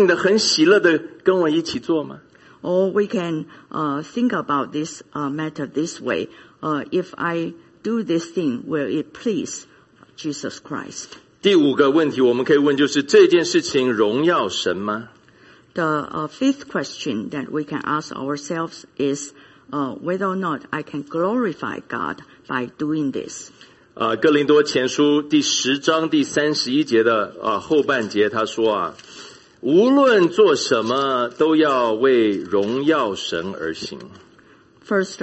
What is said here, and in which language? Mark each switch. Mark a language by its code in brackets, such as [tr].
[zh] 我的主耶稣基督会很高兴的，很喜乐的跟我一起做吗？ [en] Or we can think about this matter this way. If I do this thing, will it please Jesus Christ? [zh] 第五个问题我们可以问就是这件事情荣耀神吗？ [en] The fifth question that we can ask ourselves is whether or not I can glorify God by doing this. [zh] 哥林多前书第十章第三十一节的后半节，他说啊，无论做什么都要为荣耀神而行。 [en] First